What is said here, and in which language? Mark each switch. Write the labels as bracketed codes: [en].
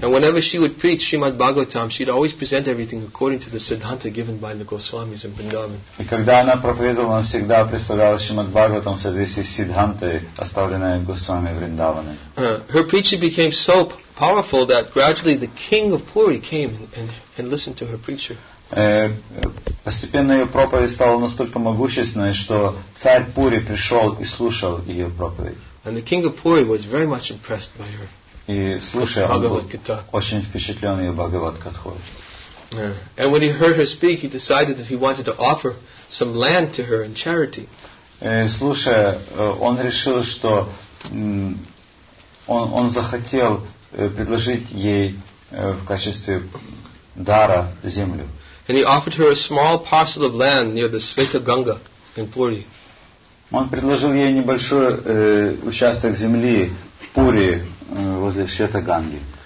[en] And whenever she would preach Srimad Bhagavatam, she'd always present everything according to the Siddhanta given by the Goswamis in Vrindavan. [ru] И когда она проповедовала, она всегда представляла Srimad Bhagavatam в соответствии с Сиддхантой, оставленной Госвами Вриндаваны. [en] Her preaching became so powerful that gradually the king of Puri came and listened to her preacher. [ru] Постепенно ее проповедь стала настолько могущественной, что царь Пури пришел и слушал ее проповедь. [en] And the king of Puri was very much impressed by her. [ru] И слушая, он был очень впечатлен ее Бхагавад-катхой. [en] Yeah. And when he heard her speak, he decided that he wanted to offer some land to her in charity. [ru] Слушая, он решил, что он захотел предложить ей в качестве дара землю. [en] And he offered her a small parcel of land near the Sveta Ganga in Puri. [ru] Он предложил ей небольшой участок земли в Пури возле Света Ганги.